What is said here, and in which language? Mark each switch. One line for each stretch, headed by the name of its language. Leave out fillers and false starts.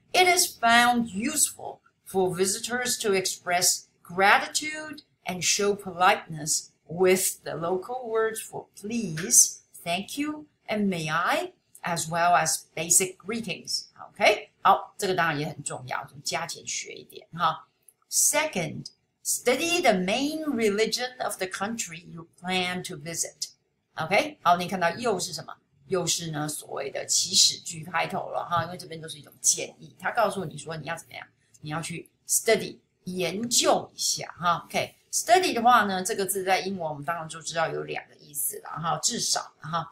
English: It is found useful for visitors to express gratitude and show politeness with the local words for please, thank you, and may I, as well as basic greetings. Okay?
Chinese: 好，这个当然也很重要，就加减学一点哈。
English: Second, study the main religion of the country you plan to visit.
Chinese: Okay? 好，你看到又是什么？又是呢所谓的祈使句开头了哈，因为这边都是一种建议，他告诉你说你要怎么样，你要去 study 研究一下哈。 OK， study 的话呢，这个字在英文我们当然就知道有两个意思了哈，至少哈。